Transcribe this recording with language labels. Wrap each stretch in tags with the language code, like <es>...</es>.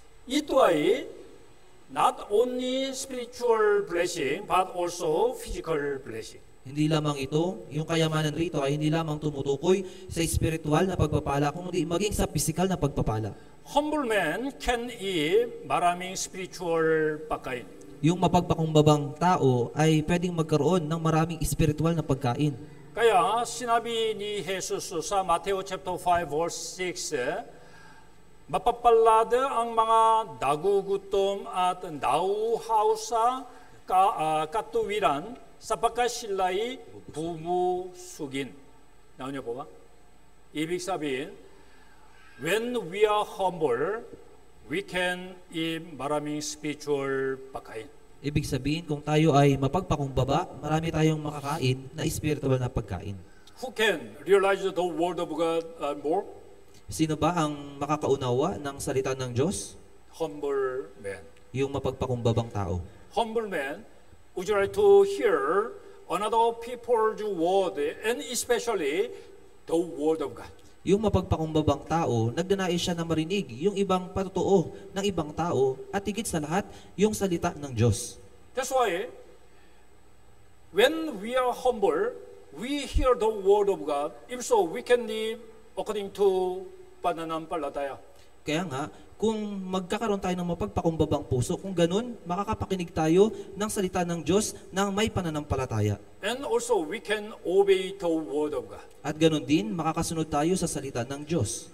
<tl>Ito ay</tl> <en>not only spiritual blessing but also physical blessing.</en> <tl>Hindi lamang ito, yung kayamanan rito ay hindi lamang tumutukoy sa spiritual na pagpapala kundi maging sa physical na pagpapala.</tl> <en>Humble man can eat</en> <tl>maraming spiritual pagkain. Yung mapagpakumbabang tao ay pwedeng magkaroon ng maraming spiritual na pagkain. Kaya sinabi ni Jesus sa Mateo chapter 5 verse 6, mapapalad ang mga nagugutom at nauhausa katuwiran sapagkat sila'y bumusugin. Naunyo po ba? Ibig sabihin,</tl> <en>when we are humble, we can eat</en> <tl>maraming spiritual pagkain. Ibig sabihin, kung tayo ay mapagpakumbaba, marami tayong makakain na spiritual na pagkain.</tl> <en>Who can realize the word of God more?</en> <tl>Sino ba ang makakaunawa ng salita ng Diyos?</tl> <en>Humble man.</en> <tl>Yung mapagpakumbabang tao.</tl> <en>Humble man, would you like to hear another people's word and especially the word of God?</en> <tl>Yung mapagpakumbabang tao, nagdanais siya na marinig yung ibang patotoo ng ibang tao at higit sa lahat, yung salita ng Diyos.</tl> <en>That's why, when we are humble, we hear the word of God. If so, we can live according to pananampalataya.</en> <tl>Kaya nga, kung magkakaroon tayo ng mapagpakumbabang puso, kung ganun, makakapakinig tayo ng salita ng Diyos na may pananampalataya.</tl> <en>And also, we can obey the word of God.</en> <tl>At ganun din, makakasunod tayo sa salita ng Diyos.</tl>